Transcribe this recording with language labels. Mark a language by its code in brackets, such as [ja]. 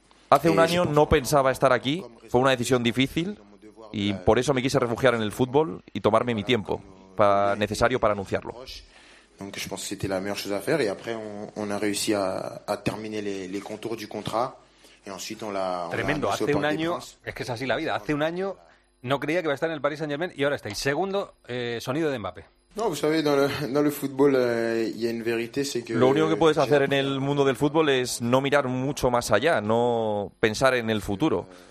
[es] Hace un año no pensaba estar aquí, fue una decisión difícil y por eso me quise refugiar en el fútbol y tomarme mi tiempo necesario para anunciarlo. [fr] Donc je pense que c'était la meilleure chose à faire et après on a réussi à terminer les contours du contrat et ensuite on l'a [es] tremendo [fr] on l'a [es] hace un año es que es así la vida. Hace un año no creía que iba a estar en el Paris Saint-Germain y ahora está. Segundo sonido de Mbappé. [fr] No, vous savez, dans le football il y a une vérité, c'est que [es] lo único que puedes hacer en el mundo del fútbol es no mirar mucho más allá, no pensar en el futuro.